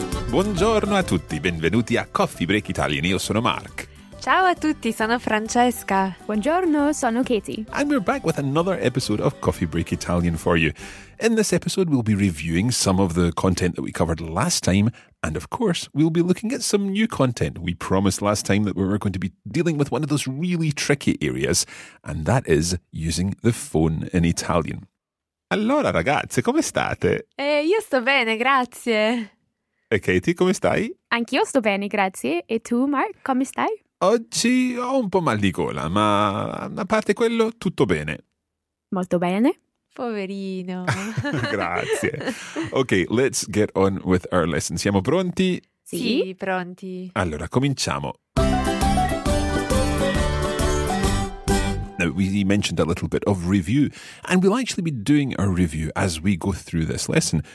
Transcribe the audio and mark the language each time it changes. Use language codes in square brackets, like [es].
[it] Buongiorno a tutti, benvenuti a Coffee Break Italian, io sono Mark. Ciao a tutti, sono Francesca. Buongiorno, sono Katie. [en] And we're back with another episode of Coffee Break Italian for you. In this episode, we'll be reviewing some of the content that we covered last time, and of course, we'll be looking at some new content. We promised last time that we were going to be dealing with one of those really tricky areas, and that is using the phone in Italian. [it] Allora, ragazze, come state? Io sto bene, grazie. E Katie, come stai? Anch'io sto bene, grazie. E tu, Mark, come stai? Oggi ho un po' mal di gola, ma a parte quello, tutto bene. Molto bene. Poverino. Grazie. [en] Ok, let's get on with our lesson. [it] Siamo pronti? Sì, pronti. Allora, cominciamo. [en] Now, we mentioned a little bit of review, and we'll actually be doing a review as we go through this lesson.